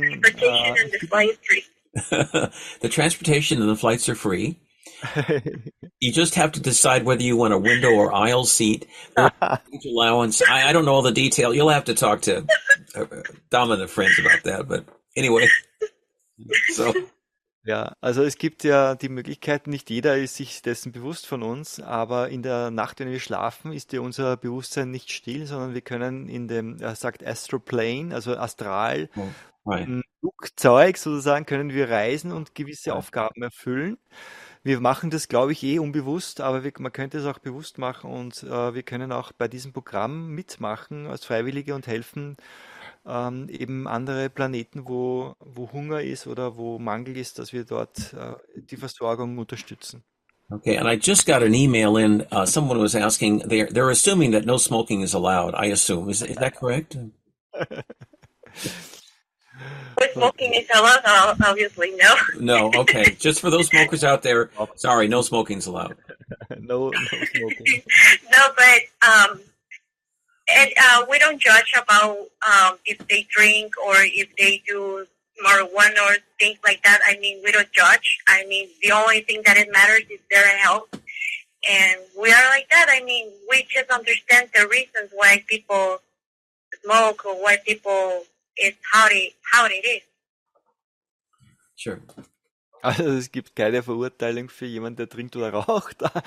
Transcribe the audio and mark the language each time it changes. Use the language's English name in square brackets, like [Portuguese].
[English] Transportation and the flight free. The transportation and the flights are free. You just have to decide whether you want a window or aisle seat. Or allowance. I don't know all the detail. You'll have to talk to Dom and the friends about that. But anyway. So. [German] Ja, also es gibt ja die Möglichkeit, nicht jeder ist sich dessen bewusst von uns, aber in der Nacht, wenn wir schlafen, ist ja unser Bewusstsein nicht still, sondern wir können in dem, er sagt Astroplane, also Astral, Flugzeug sozusagen, können wir reisen und gewisse Aufgaben erfüllen. Wir machen das, glaube ich, eh unbewusst, aber man könnte es auch bewusst machen und wir können auch bei diesem Programm mitmachen als Freiwillige und helfen, eben andere Planeten, wo Hunger ist oder wo Mangel ist, dass wir dort die Versorgung unterstützen. [English] Okay, and I just got an email in. Someone was asking, they're assuming that no smoking is allowed, I assume. Is that correct? Smoking is allowed, obviously, no. No, okay. Just for those smokers out there, sorry, no smoking is allowed. No smoking. No, but... And we don't judge about if they drink or if they do marijuana or things like that. I mean, we don't judge. I mean, the only thing that it matters is their health. And we are like that. I mean, we just understand the reasons why people smoke or why people is how it is. Sure. [German] Also, es gibt keine Verurteilung für jemanden, der trinkt oder raucht.